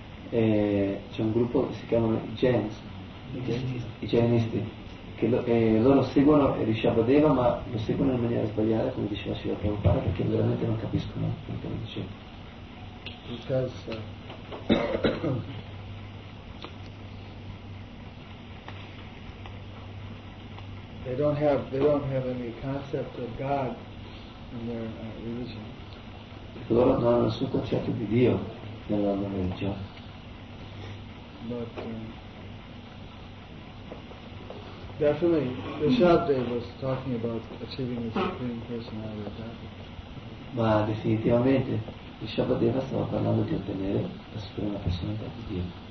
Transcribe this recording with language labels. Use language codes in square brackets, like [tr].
[it] C'è un gruppo che si chiama Jains, i Jainisti, che loro seguono Vishabdeva, ma lo seguono in maniera sbagliata, come diceva Srila Prabhupada, perché veramente non capiscono quello che dice. [en] Because they don't have any concept of God in their religion. [it] Loro non hanno nessun concetto di Dio nella loro religione. [en] But definitely, Vishabdeva was talking about achieving the supreme personality of God. [it] Ma definitivamente. Vishabhadeva stava parlando di ottenere la suprema personalità di Dio.